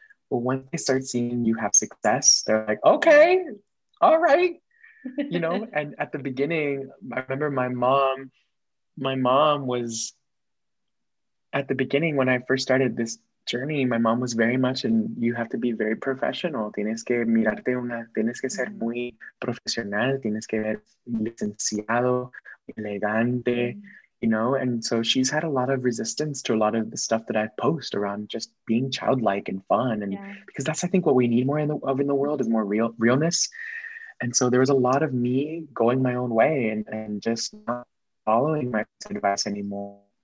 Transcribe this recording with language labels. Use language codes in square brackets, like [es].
[en] But once they start seeing you have success, they're like, okay, all right. You know, and at the beginning, I remember my mom was, at the beginning when I first started this journey, my mom was very much in, you have to be very professional. [es] Tienes que mirarte una, tienes que ser muy profesional, tienes que ser licenciado, elegante, [en] you know? And so she's had a lot of resistance to a lot of the stuff that I post around just being childlike and fun. And because that's, I think, what we need more in the world is more realness. And so there was a lot of me going my own way and just not following my advice anymore.